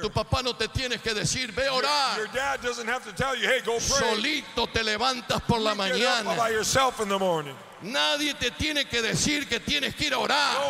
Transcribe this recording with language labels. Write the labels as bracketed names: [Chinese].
[Spanish] Tu papá no te tiene que decir, ve orar. [English] Your dad doesn't have to tell you, hey, go pray. [Spanish] Solito te levantas por [English] you [Spanish] la mañana. [English] Get up by yourself in the morning. [Spanish] Nadie te tiene que decir que tienes que ir a orar.